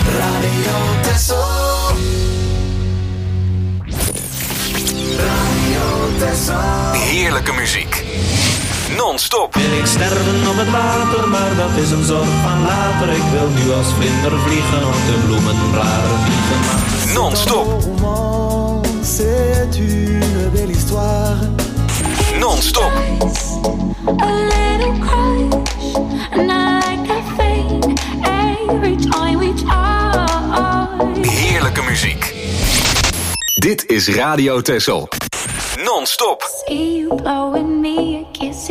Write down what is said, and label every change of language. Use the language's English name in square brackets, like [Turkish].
[Dutch] Radio Texel. Radio Texel. Heerlijke muziek. Non-stop. Wil ik sterven op het water, maar dat is een zorg van later. Ik wil nu als vlinder vliegen op de bloemenblaren. [English] Non-stop. [French] C'est une belle histoire. [English] Non-stop. A little crush, like a fate. Every time we try. [Dutch] Heerlijke muziek. Dit is Radio Texel. Non-stop. [English] See you blowing me a kiss.